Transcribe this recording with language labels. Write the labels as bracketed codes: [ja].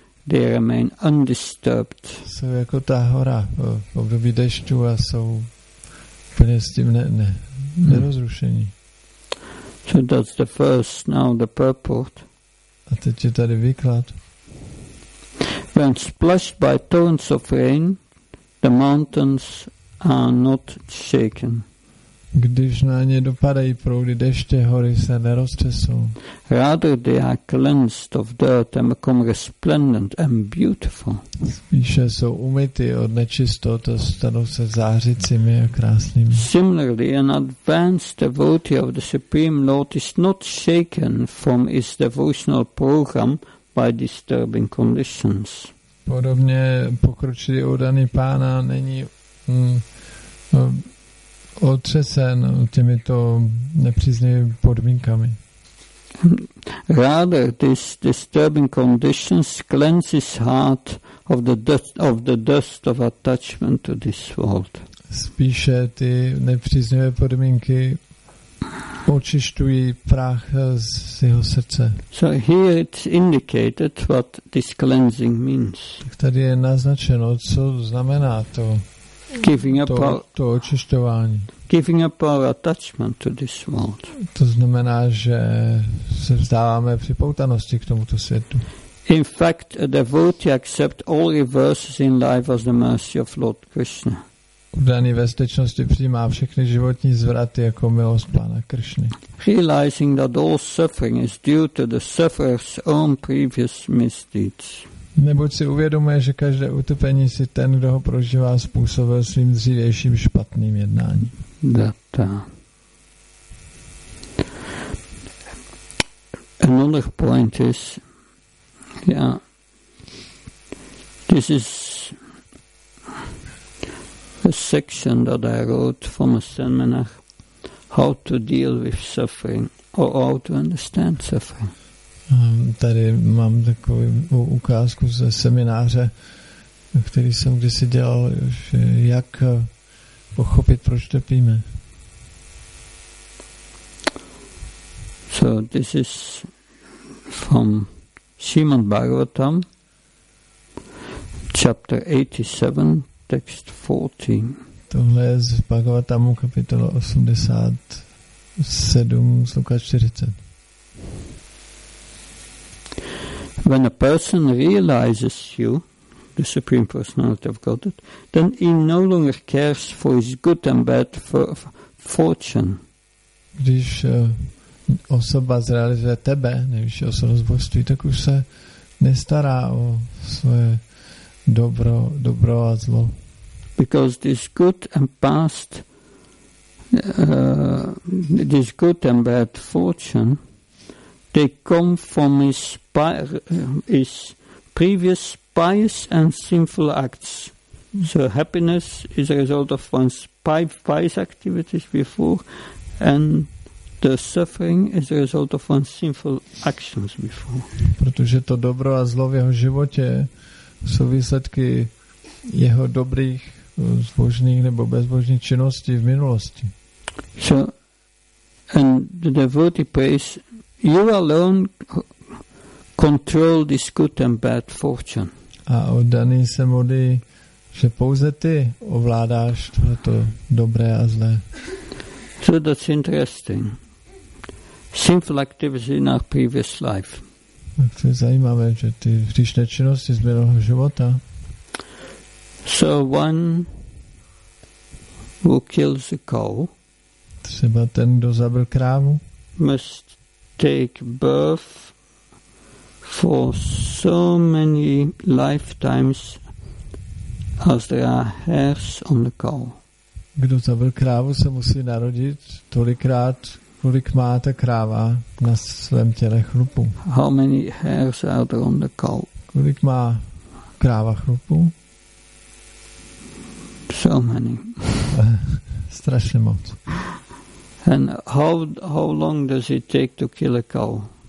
[en] They remain undisturbed. [cs] Jsou jako ta hora v období dešťů a jsou úplně s tím nerozrušení. [en] So that's the first, now the purport. [cs] A teď je tady výklad. [en] When splashed by torrents of rain, the mountains are not shaken. [cs] Když na ně dopadají proudy deště, hory se neroztřesou. [en] Rather they are cleansed of dirt and become resplendent and beautiful. [cs] Spíše jsou umyty od nečistot a stanou se zářicími a krásnými. [en] Similarly, an advanced devotee of the Supreme Lord is not shaken from his devotional program by disturbing conditions. [cs] Podobně pokročilý oddaný pána není otřesen těmito nepříznivými podmínkami. [en] Rather, this disturbing conditions cleanses heart of the dust of attachment to this world. [cs] Spíše ty nepříznivé podmínky očišťují prach z jeho srdce. [en] So here it's indicated what this cleansing means. [cs] Tak tady je naznačeno, co znamená to. [en] Giving up [cs] očišťování. [en] Giving up our attachment to this world. [cs] To znamená, že se vzdáváme připoutanosti k tomuto světu. [en] In fact, a devotee accepts all reverses in life as the mercy of Lord Krishna. [cs] Udaný ve skutečnosti přijímá všechny životní zvraty jako milost Pána Krišny. [en] Realizing that all suffering is due to the sufferer's own previous misdeeds. [cs] Neboť si uvědomuje, že každé utrpení si ten, kdo ho prožívá, způsobil svým dřívějším špatným jednáním. [en] Another point is, this is a section that I wrote from a seminar, how to deal with suffering or how to understand suffering. [cs] Tady mám takovou ukázku ze semináře, který jsem kdysi dělal, že jak pochopit, proč trpíme. [en] So this is from Srimad Bhagavatam, chapter 87, text 14. [cs] Tohle je z Bhagavatamu, kapitola 87, sloka 40. [en] When a person realizes you, the Supreme Personality of Godhead, then he no longer cares for his good and bad fortune. [cs] Když osoba zrealizuje tebe, nejvyšší osobnost božství, tak už se nestará o svoje dobro a zlo. [en] Because this good and past, this good and bad fortune, they come from his previous pious and sinful acts. So happiness is a result of one's pious activities before, and the suffering is a result of one's sinful actions before. [cs] Protože to dobro a zlo v jeho životě jsou výsledky jeho dobrých, zbožných nebo bezbožných činností v minulosti. [en] So, and the devotee prays, you alone control this good and bad fortune. [cs] A oddaný se modlí, že pouze ty ovládáš tohleto dobré a zlé. [en] So that's interesting. Sinful activity in our previous life. [cs] Tak to je zajímavé, že ty hříšné činnosti z minulého života. [en] So one who kills a cow. [cs] třeba ten, kdo zabil krávu, [en] must take birth for so many lifetimes as there are hairs on the cow. [cs] Kdo zabil krávu, se musí narodit tolikrát, kolik má ta kráva na svém těle chlupu. [en] How many hairs are there on the cow? [cs] Kolik má kráva chlupu? [en] So many. [cs] Strašně moc. [en] And how long does it take to kill a cow?